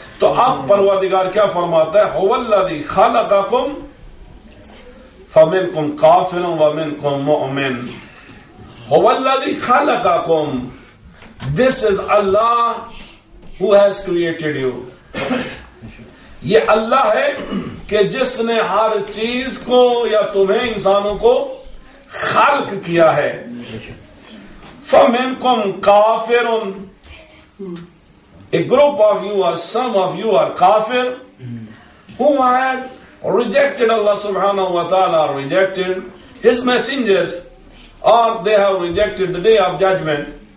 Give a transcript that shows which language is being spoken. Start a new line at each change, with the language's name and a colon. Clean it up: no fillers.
Urdu: تو اب پروردگار کیا فرماتا ہے,
Arabic: هو الذی خلقکم فمنکم کافر ومنکم مؤمن. هو الذی خلقکم,
English: this is Allah who has created you.
Urdu: یہ اللہ ہے کہ جس نے ہر چیز کو یا تمہیں انسانوں کو خلق کیا ہے.
Arabic: فمنکم کافر,
English: a group of you or some of you are kafir, whom I had rejected Allah subhanahu wa ta'ala, rejected His messengers, or they have rejected the day of judgment.